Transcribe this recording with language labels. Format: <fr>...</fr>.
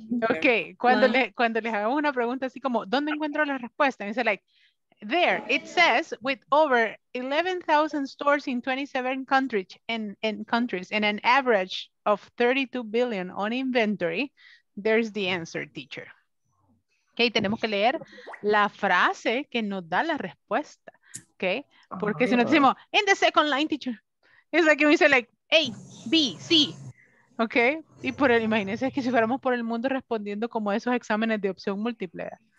<es>Okay, cuando le hago una pregunta así como, ¿dónde encuentro la respuesta? Y dice</es> <en>like, there, it says with over 11,000 stores in 27 countries and an average of 32 billion on inventory, there's the answer, teacher.</en> <es>Okay, tenemos que leer la frase que nos da la respuesta.</es> <en>Okay,</en> <es>porque si nos decimos,</es> <en>in the second line, teacher, it's like we say like, A, B, C.</en> <es>Okay, y por el, imagínense que si fuéramos por el mundo respondiendo como esos exámenes de opción múltiple.</es>